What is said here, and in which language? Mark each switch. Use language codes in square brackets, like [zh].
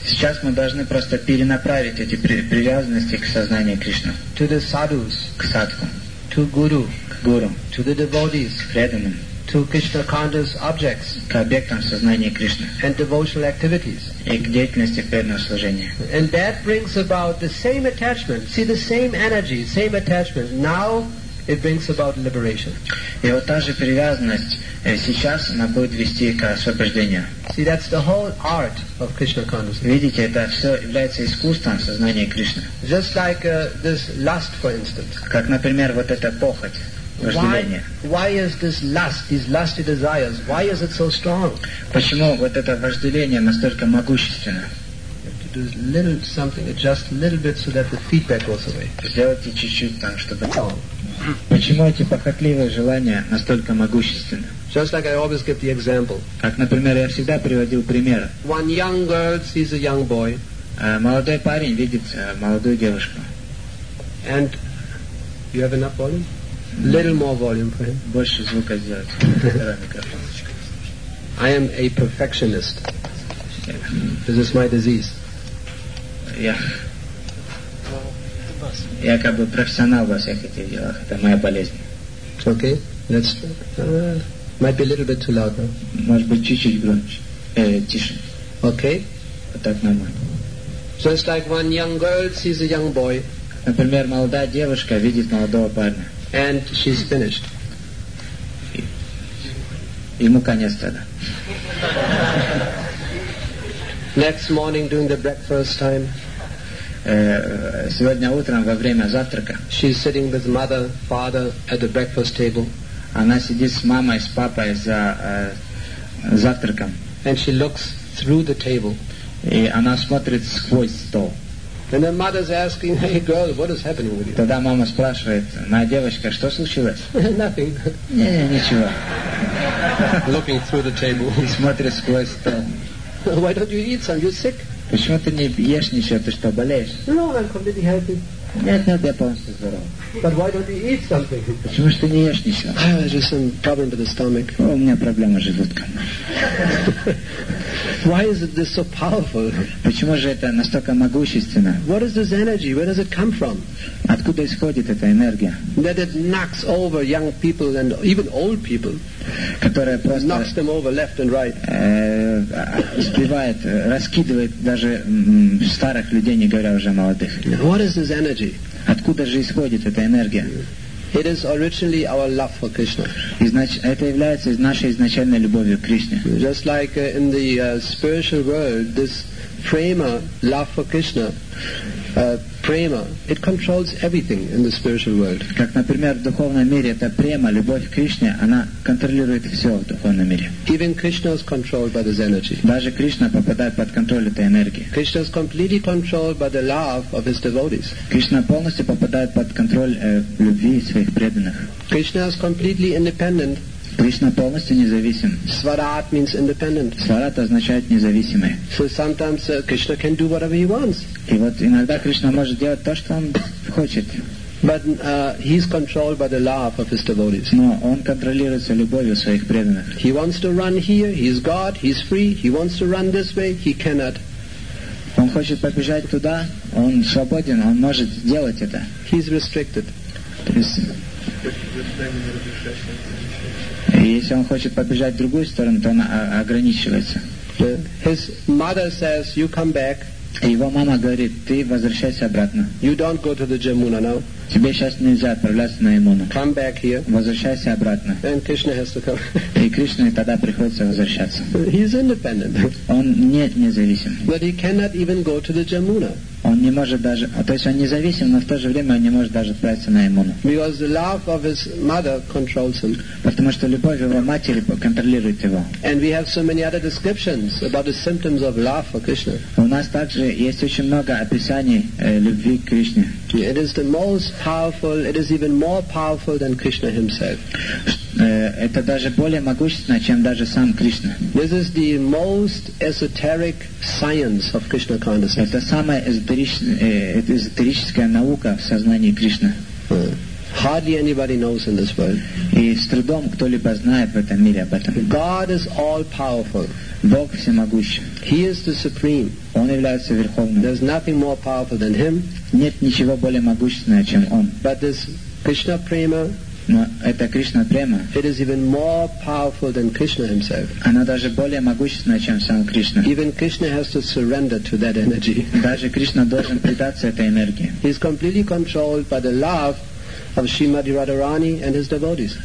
[ru] Сейчас мы должны просто перенаправить эти привязанности к сознанию Кришны. [en] To the sadhus. [ru] К садху. [en] To guru. [ru] К гуру. [en] To the devotees. [ru] К преданным. [en] To Krishna conscious objects. [ru] К объектам сознания Кришны. [en] And devotional activities. [ru] И к деятельности преданного служения. [en] And that brings about the same attachment. See, the same energy, same attachment. Now it brings about liberation. [ru] И вот та же привязанность сейчас она будет вести к освобождению. [en] See, that's the whole art of Krishna consciousness. [ru] Видите, это все является искусством сознания Кришны. [en] Just like this lust, for instance. [ru] Как, например, вот эта похоть, вожделение. [en] Why is this lust, these lusty desires, why is it so strong? [ru] Почему вот это вожделение настолько могущественно? [en] Do a little something, adjust a little bit so that the feedback goes away. [ru] Сделайте чуть-чуть там, чтобы. Почему эти похотливые желания настолько могущественны? [en] Just like I always give the example. [ru] Как, например, я всегда приводил пример. [en] One young girl sees a young boy. [ru] Молодой парень видит молодую девушку. [en] And you have enough volume? Little more volume for him. [ru] Больше звука сделать. [en] I am a perfectionist. This is my disease. [ru] Я как бы профессионал во всех этих делах. Это моя болезнь. [en] Okay, let's try. Might be a little bit too loud, though. [ru] Может быть чуть-чуть громче. Тише. [en] Okay. [ru] Вот так нормально. [en] So it's like one young girl sees a young boy. [ru] Например, молодая девушка видит молодого парня. [en] And she's finished. [ru] Ему конец тогда. [en] Next morning during the breakfast time. [ru] Сегодня утром во время завтрака. [en] She's sitting with mother, father at the breakfast table. [ru] Она сидит с мамой, с папой за завтраком. [en] And she looks through the table. [ru] И она смотрит сквозь стол. [en] And the mother's asking, "Hey girl, what is happening with you?" [ru] Тогда мама спрашивает: "Моя девочка, что случилось?" [en] Nothing. [ru] Ничего. [en] Looking through the table. [ru] И смотрит сквозь стол. [en] Why don't you eat some? You're sick. [ru] Почему ты не ешь ничего? Ты что, болеешь? [en] No, I'm completely healthy. [ru] Нет, я полностью здоров. [en] But why don't you eat something? [ru] Почему ты не ешь ничего? [en] There's just some problem with the stomach. [ru] О, у меня проблема с желудком. [en] Why is it this so powerful? [ru] Почему же это настолько могущественно? [en] What is this energy? Where does it come from? [ru] Откуда исходит эта энергия? [en] That it knocks over young people and even old people. [ru] Которая просто [en] knocks them over left and right. [ru] Сбивает, раскидывает даже старых людей, не говоря уже о молодых. [en] What is this energy? [ru] Откуда же исходит эта энергия? [en] It is originally our love for Krishna. [ru] И значит, это является нашей изначальной любовью к Кришне. [en] Just like in the spiritual world, this prema, love for Krishna, prema, it controls everything in the spiritual world. [ru] Как, например, в духовном мире эта према, любовь к Кришне, она контролирует все в духовном мире. [en] Even Krishna is controlled by this energy. [ru] Даже Кришна попадает под контроль этой энергии. [en] Krishna is completely controlled by the love of his devotees. [ru] Кришна полностью попадает под контроль любви своих преданных. [en] Krishna is completely independent. [ru] Кришна полностью независим. [en] Сварат means independent. [ru] Сварат означает независимый. [en] So sometimes Krishna can do whatever he wants. [ru] И вот иногда Кришна может делать то, что он хочет. [en] But he is controlled by the love of his devotees. [ru] Но он контролируется любовью своих преданных. [en] He wants to run here. He is God. He is free. He wants to run this way. He cannot. [ru] Он хочет побежать туда. Он свободен. Он может сделать это. [en] He is restricted. [ru] Если он хочет побежать в другую сторону, то он ограничивается. [en] His mother says, "You come back." [ru] Его мама говорит, ты возвращайся обратно. [en] You don't go to the Jamuna now. [ru] Тебе сейчас нельзя отправляться на Ямуну. [en] Come back here. [ru] Возвращайся обратно. [en] And Krishna has to come. [ru] И Кришне тогда приходится возвращаться. [en] He is independent. [ru] Он не независим. [en] But he cannot even go to the Jamuna. [ru] Он не может даже, то есть он независим, но в то же время он не может даже отправиться на Ямуну. [en] Because the love of his mother controls him. [ru] Потому что любовь его матери контролирует его. [en] And we have so many other descriptions about the symptoms of love for Krishna. [ru] У нас также есть очень много описаний любви к Кришне. [en] It is the most powerful. It is even more powerful than Krishna himself. [ru] Это даже более могущественно, чем даже сам Кришна. [en] This is the most esoteric science of Krishna consciousness. [ru] Это самая эзотерическая наука в сознании Кришны. [en] Hardly anybody knows in this world. [ru] И с трудом кто-либо знает в этом мире об этом. [en] God is all powerful. [ru] Бог всемогущий. [en] He is the supreme. [ru] Он является верховным. [en] There's nothing more powerful than him. [ru] Нет ничего более могущественного, чем он. [en] But this Krishna prema. [ru] Но это Кришна према. [en] It is even more powerful than Krishna himself. [ru] Она даже более могущественная, чем сам Кришна. [en] Even Krishna has to surrender to that energy. [ru] Даже Кришна должен предаться этой энергии. [en] He is completely controlled by the love of Srimati Radharani and his devotees.